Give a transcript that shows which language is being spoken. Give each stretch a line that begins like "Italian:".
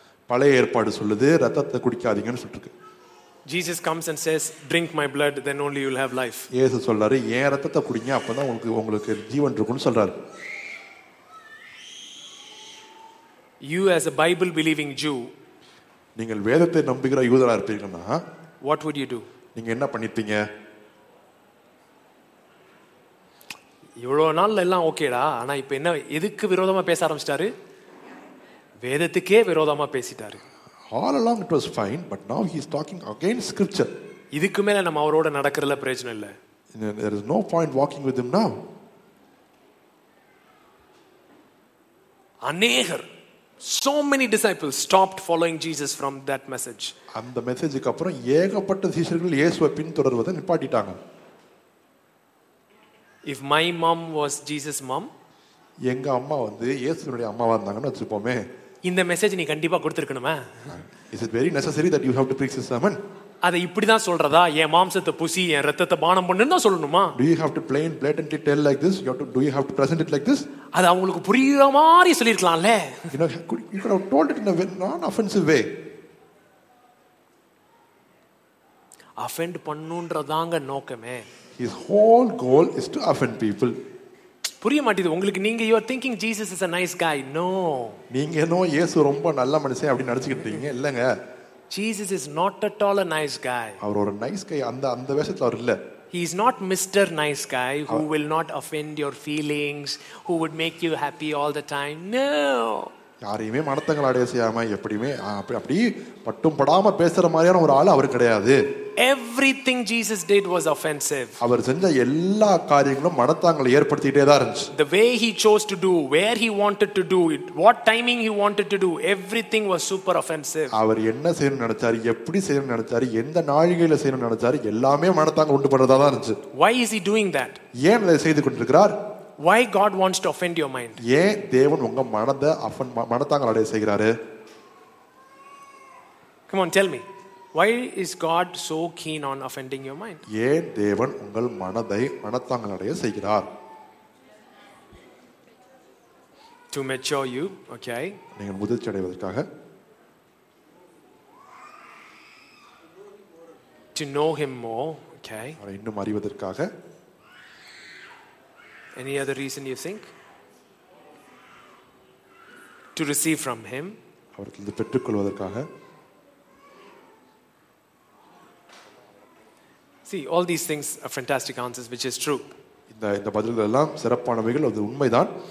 Tamil: பழைய ஏற்பாடு சொல்லுது ரத்தத்தை குடிக்காதீங்கன்னு சொல்லிருக்கு.
English: Jesus comes and says drink my blood then only you will have life.
Tamil: இயேசு சொல்றாரு என் ரத்தத்தை குடிங்க அப்பதான் உங்களுக்கு உங்களுக்கு ஜீவன் இருக்கும்னு சொல்றாரு.
English: You as a Bible believing Jew,
Tamil: நீங்கள் வேதத்தை நம்புகிற யூதரா இருப்பீங்கன்னா
English: what would you do?
Tamil: நீங்க என்ன பண்ணிப்பீங்க? இவ்வளோ நாள் எல்லாம் ஓகேடா, ஆனால் இப்போ என்ன எதுக்கு விரோதமாக பேச ஆரம்பிச்சிட்டாரு? வேதத்துக்கே விரோதமாக பேசிட்டாரு.
English: All along it was fine, but now he is talking against scripture.
Tamil: இதுக்கு மேலே நம்ம அவரோட நடக்கிறதுல பிரயோஜனம் இல்லை.
English: There is no point walking with him now.
Tamil: அநேகர்,
English: so many disciples stopped following Jesus from that message.
Tamil: அந்த மெசேஜுக்கு அப்புறம் ஏகப்பட்ட சீஷர்கள் இயேசுவை பின்தொடர்வதை நிப்பாட்டிட்டாங்க.
English: If my mom was Jesus' mom,
Tamil: எங்க அம்மா வந்து இயேசுனுடைய அம்மாவா இருந்தாங்கன்னு வச்சுப்போமே, இந்த மெசேஜ் நீ கண்டிப்பா கொடுத்திருக்கணுமே.
English: Is it very necessary that you have to preach this sermon?
Tamil: அதை இப்படி தான் சொல்றதா? என் மாம்சத்தை பூசி என் ரத்தத்தை பானம் பண்ணுன்னு தான் சொல்லணுமா?
English: Do you have to plain blatantly tell like this? Do you have to present it like this?
Tamil: அது அவங்களுக்கு புரியற மாதிரி சொல்லிருக்கலாம்ல.
English: You could have told it in a non-offensive way.
Tamil: Offend பண்ணுன்றதாங்க நோக்கமே.
English: His whole goal is to offend people.
Tamil: புரிய மாட்டீது உங்களுக்கு. நீங்க
English: you are thinking Jesus is a nice guy. No.
Tamil: நீங்க என்ன இயேசு ரொம்ப நல்ல மனுஷன் அப்படி நினைச்சிட்டீங்க? இல்லங்க.
English: Jesus is not at all a nice guy.
Tamil: அவர் ஒரு நைஸ் கை அந்த வேஷத்துல அவர் இல்ல.
English: He is not Mr. Nice Guy who will not offend your feelings, who would make you happy all the time. No.
Tamil: யாரையுமே மனத்தங்கள் அடைய செய்யாம எப்படியுமே அப்படி பட்டும் படாம பேசுற மாதிரியான ஒரு ஆள் அவர் கிடையாது.
English: Everything Jesus did was offensive.
Tamil: அவர் செஞ்ச எல்லா காரியங்களும் மனத்தாங்களை ஏற்படுத்திட்டே தான் இருந்துச்சு.
English: The way he chose to do, where he wanted to do it, what timing he wanted to do, everything was super offensive.
Tamil: அவர் என்ன செய்யணும் நினைச்சாரு, எப்படி செய்யணும் நினைச்சாரு, எந்த நாழிகையில செய்யணும் நினைச்சாரு, எல்லாமே மனத்தாங்களை உண்டு பண்றதா தான் இருந்துச்சு.
English: Why is he doing that?
Tamil: ஏன் அதை செய்து கொண்டிருக்கிறார்?
English: Why God wants to offend your mind?
Tamil: ஏ தேவன் உங்க மனதை அஃபன் மனதாங்கள் அடைய செய்கிறாரு?
English: Come on, tell me. Why is God so keen on offending your mind?
Tamil: ஏ தேவன் உங்கள் மனதை மனதாங்கள் அடைய செய்கிறார்?
English: To mature you, okay?
Tamil: நீங்கள் முதிர்ச்சி அடைவதற்காக.
English: To know him more, okay?
Tamil: அவரை இன்னும் அறிவதற்காக.
English: Any other reason you think? To receive from him.
Tamil: அவர்கிட்ட பெற்றுக்கொள்வதற்காக.
English: See, all these things are fantastic answers, which is true.
Tamil: இந்த பதில்கள் எல்லாம் சிறப்பானவைகள், அது உண்மைதான்.